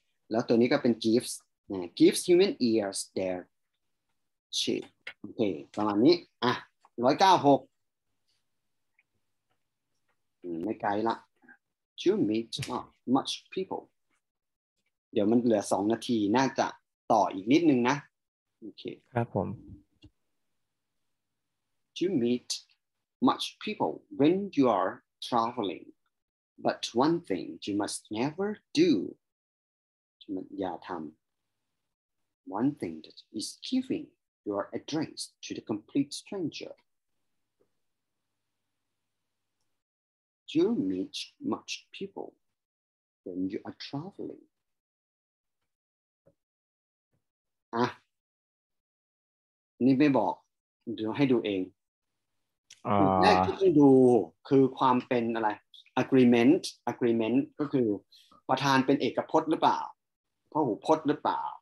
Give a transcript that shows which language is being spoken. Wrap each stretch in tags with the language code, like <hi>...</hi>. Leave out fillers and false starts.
<th>แล้วตัวนี้ก็เป็น gives นะ</th> <en>gives human ears their shape</en> <th>โอเคประมาณนี้อ่ะ196ไม่ไกลละ</th> <en>you meet much people</en> <th>เดี๋ยวมันเหลือ2นาทีน่าจะต่ออีกนิดนึงนะโอเค ครับผม</th> <en>you meet much people when you are travelingBut one thing you must never do,</en> <th>อย่าทำ</th> <en>one thing that is giving your address to the complete stranger. You meet much people when you are traveling.</en> <th>นี่ไม่บอกเดี๋ยวให้ดูเองแรกที่ดูคือความเป็นอะไรAgreement ก็คือประธานเป็นเอกพจน์หรือเปล่าพหูพจน์หรือเปล่า</th>